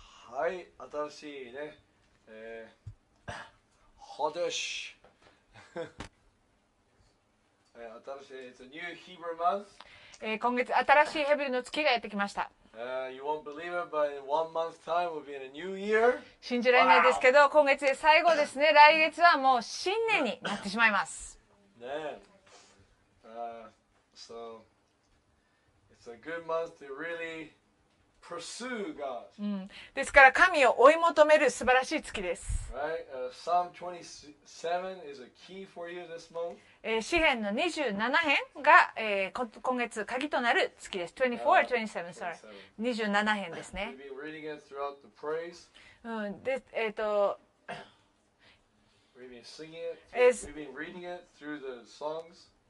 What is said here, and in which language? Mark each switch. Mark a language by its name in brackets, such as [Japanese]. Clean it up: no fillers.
[Japanese] はい、新しいね、ハデシ、新しい、ニューヒブルマンス。今月、新しいヘブルの月がやってきました。 [English] You won't believe it, but in 1 month's time, we'll be in a new year. [Japanese] 信じられないですけど、今月で最後ですね。来月はもう新年になってしまいます。 [English] It's a good month to really pursue God. [Japanese] ですから神を追い求める素晴らしい月です。 [English] Right? Psalm 27 is a key for you this month. [Japanese] 詩編の27編が、今月鍵となる月です。 24、27、sorry。 27編ですね。 [English] We'll be reading it throughout the praise. We've been singing it. We've been reading it through the songs.